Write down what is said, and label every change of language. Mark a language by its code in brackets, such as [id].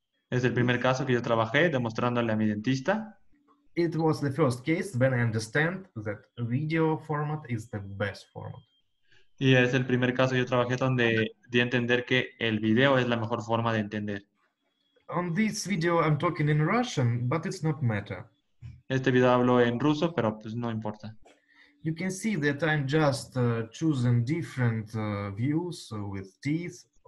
[es] Es el primer caso que yo trabajé demostrándole a mi dentista. [en] It was the first case when I understand that video format is the best format. [es] Y es el primer caso que yo trabajé donde di a entender que el video es la mejor forma de entender. [en] On this video I'm talking in Russian, but it's not matter. [es] Este video hablo en ruso, pero pues no importa. [en] You can see that I'm just choosing different views with teeth.